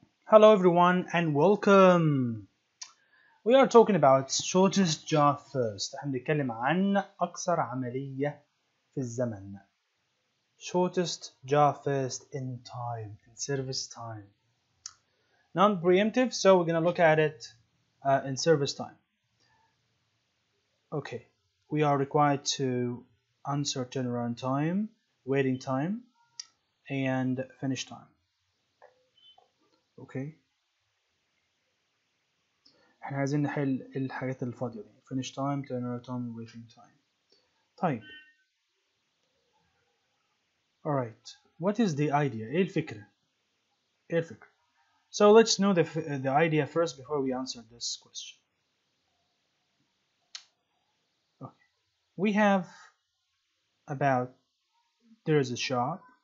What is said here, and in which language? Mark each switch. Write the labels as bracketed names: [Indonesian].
[English] Hello everyone and welcome. We are talking about shortest job first. [Arabic] احنا بنتكلم عن اقصر عملية في الزمن. [English] Shortest job first in time, in service time. Non-preemptive, so we're going to look at it in service time. Okay, we are required to answer turnaround time, waiting time, and finish time. [Arabic] اوكي احنا عايزين نحل الحاجات الفاضيه دي [English] finish time turnaround time waiting time. [Arabic] طيب [English] all right, what is the idea, [Arabic] ايه الفكره. [English] So let's know the idea first before we answer this question. Okay. We have about there is a shop.